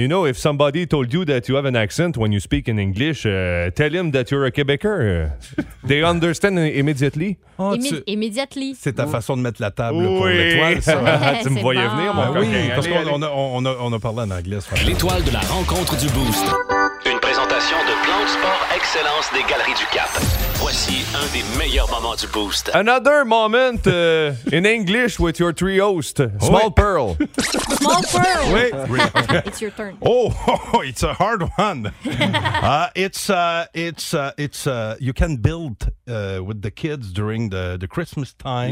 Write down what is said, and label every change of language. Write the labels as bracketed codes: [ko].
[en] You know, if somebody told you that you have an accent when you speak in English, tell him that you're a Quebecer. They understand immediately. Immediately. [fr] C'est ta façon de mettre la table pour l'étoile. Ça. Tu me voyais venir, mon gars. Oui, parce qu'on a parlé en anglais. L'étoile de la rencontre du Boost. Une présentation de Plan de sport excellence des Galeries du Cap. Voici un des meilleurs moments du Boost. [en] Another moment in English with your three hosts. Small oui. Pearl. Small Pearl. [fr] Oui. [en] It's your turn. Oh, it's a hard one. You can build with the kids during the Christmas time.